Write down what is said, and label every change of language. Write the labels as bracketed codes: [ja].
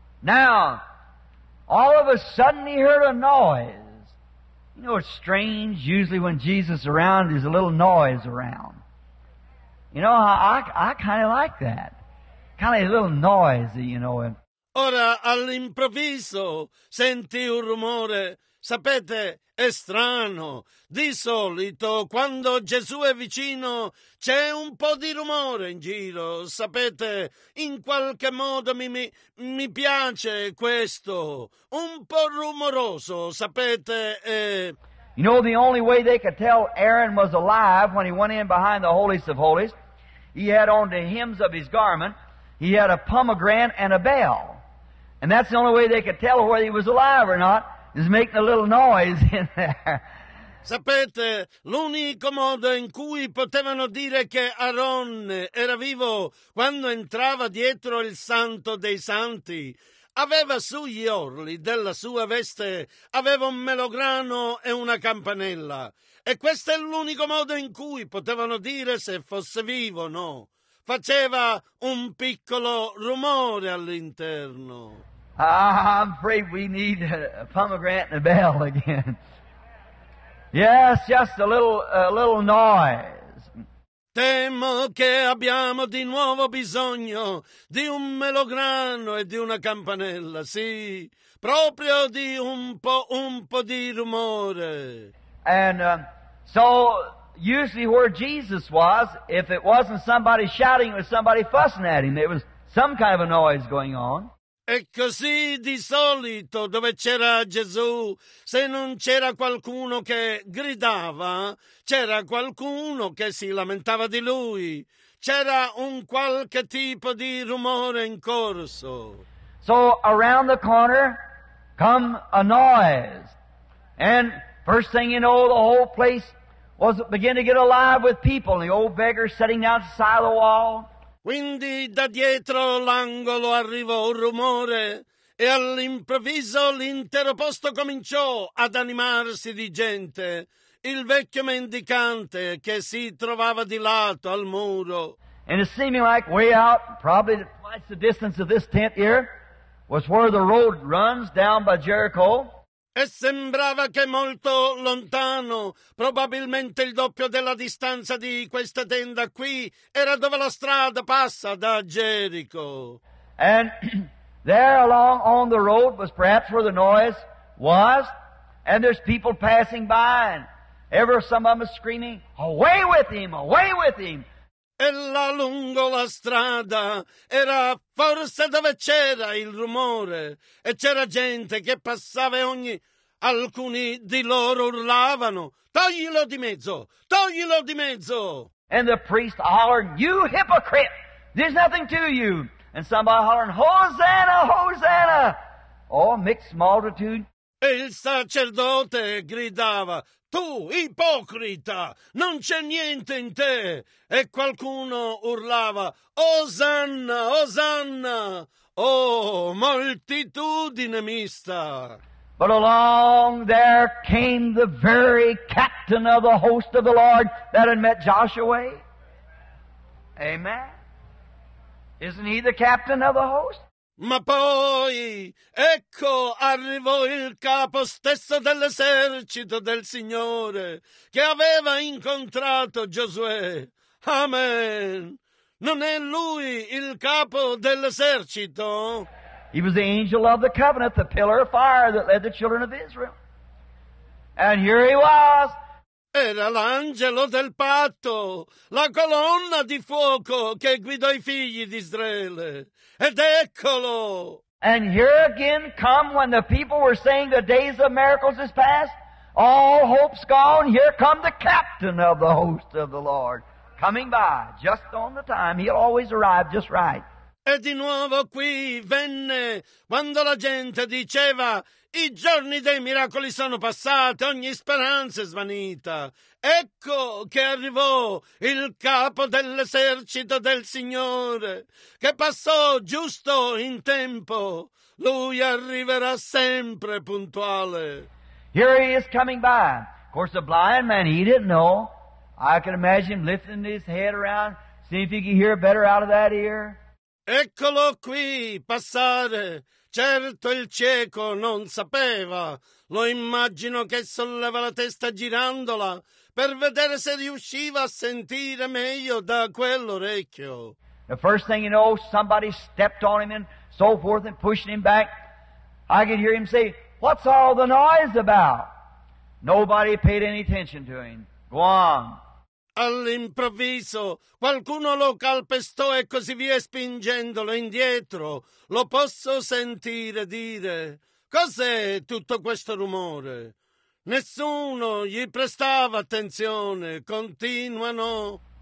[en] Now, all of a sudden he heard a noise. You know, it's strange, usually when Jesus is around, there's a little noise around. You know, I kind of like that. Kind of a little noisy, you know. [it] Ora, all'improvviso, sentì un rumore. Sapete, è strano. Di solito, quando Gesù è vicino, c'è un po' di rumore in giro. Sapete, in qualche modo mi piace questo. Un po' rumoroso, sapete. [en] You know, the only way they could tell Aaron was alive when he went in behind the holiest of holies, he had on the hems of his garment. He had a pomegranate and a bell. And that's the only way they could tell whether he was alive or not, is making a little noise in there. [it] Sapete, l'unico modo in cui potevano dire che Aaron era vivo quando entrava dietro il Santo dei Santi. Aveva sugli orli della sua veste, aveva un melograno e una campanella. E questo è l'unico modo in cui potevano dire se fosse vivo o no. Faceva un piccolo rumore all'interno. [en] I'm afraid we need a pomegranate and a bell again. Yes, just a little noise. [it] Temo che abbiamo di nuovo bisogno di un melograno e di una campanella, sì. Proprio di un po' di rumore. [en] And so usually where Jesus was, if it wasn't somebody shouting, it was somebody fussing at him. There was some kind of a noise going on. [it] E così di solito dove c'era Gesù, se non c'era qualcuno che gridava, c'era qualcuno che si lamentava di lui. C'era un qualche tipo di rumore in corso. [en] So around the corner come a noise. And first thing you know, the whole place was begin to get alive with people. And the old beggar sitting down beside the wall. [it] Quindi da dietro l'angolo arrivò un rumore e all'improvviso l'intero posto cominciò ad animarsi di gente. Il vecchio mendicante che si trovava di lato al muro. [en] And it seemed like way out, probably twice the distance of this tent here, was where the road runs down by Jericho. [it] E sembrava che molto lontano, probabilmente il doppio della distanza di questa tenda qui, era dove la strada passa da Gerico. [en] And there along on the road was perhaps where the noise was, and there's people passing by, and ever some of them is screaming, away with him, away with him. [it] E là lungo la strada era forse dove c'era il rumore e c'era gente che passava e alcuni di loro urlavano, toglilo di mezzo, toglilo di mezzo. [en] And the priest hollered, you hypocrite, there's nothing to you. And somebody hollered, Hosanna, Hosanna. Oh, mixed multitude. [it] E il sacerdote gridava, tu, ipocrita, non c'è niente in te. E qualcuno urlava, Osanna, Osanna, oh, moltitudine mista. [en] But along there came the very captain of the host of the Lord that had met Joshua. Amen. Isn't he the captain of the host? [it] Ma poi, ecco, arrivò il capo stesso dell'esercito del Signore che aveva incontrato Giosuè. Amen. Non è lui il capo dell'esercito? [en] He was the angel of the covenant, the pillar of fire that led the children of Israel. And here he was. [it] Era l'angelo del patto, la colonna di fuoco che guidò i figli di Israele. Ed eccolo! [en] And here again come when the people were saying the days of miracles is past, all hope's gone, here come the captain of the host of the Lord, coming by just on the time. He'll always arrive just right. [it] E di nuovo qui venne quando la gente diceva i giorni dei miracoli sono passati, ogni speranza è svanita. Ecco che arrivò il capo dell'esercito del Signore che passò giusto in tempo. Lui arriverà sempre puntuale. [en] Here he is coming by. Of course the blind man, he didn't know. I can imagine lifting his head around, see if he could hear better out of that ear. [it] Eccolo qui, passare. Certo il cieco non sapeva. Lo immagino che solleva la testa girandola per vedere se riusciva a sentire meglio da quell'orecchio. [en] The first thing you know, somebody stepped on him and so forth and pushed him back. I could hear him say, what's all the noise about? Nobody paid any attention to him. Go on. [it] All'improvviso qualcuno lo calpestò e così via spingendolo indietro. Lo posso sentire dire, cos'è tutto questo rumore? Nessuno gli prestava attenzione, continuano.